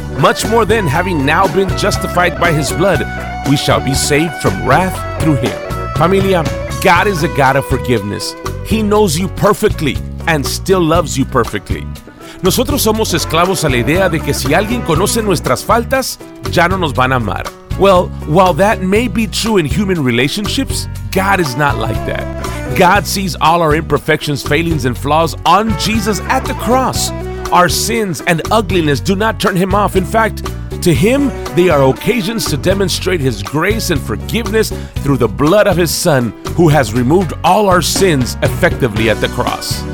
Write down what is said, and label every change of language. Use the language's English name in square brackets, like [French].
[English] Much more then, having now been justified by his blood, we shall be saved from wrath through him." Familia, God is a God of forgiveness. He knows you perfectly and still loves you perfectly. [Spanish] Nosotros somos esclavos a la idea de que si alguien conoce nuestras faltas, ya no nos van a amar. [English] Well, while that may be true in human relationships, God is not like that. God sees all our imperfections, failings, and flaws on Jesus at the cross. Our sins and ugliness do not turn him off. In fact, to him, they are occasions to demonstrate his grace and forgiveness through the blood of his Son, who has removed all our sins effectively at the cross.